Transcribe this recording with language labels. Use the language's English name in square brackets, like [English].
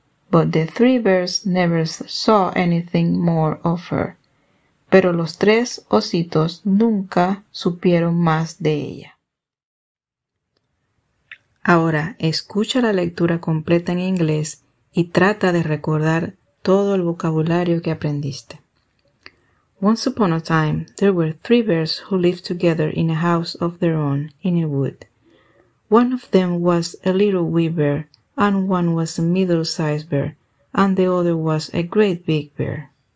[English] But the three bears never saw anything more of her. [Spanish] Pero los tres ositos nunca supieron más de ella. Ahora, escucha la lectura completa en inglés y trata de recordar todo el vocabulario que aprendiste. [English] Once upon a time, there were three bears who lived together in a house of their own in a wood. One of them was a little wee bear, and one was a middle-sized bear, and the other was a great big bear.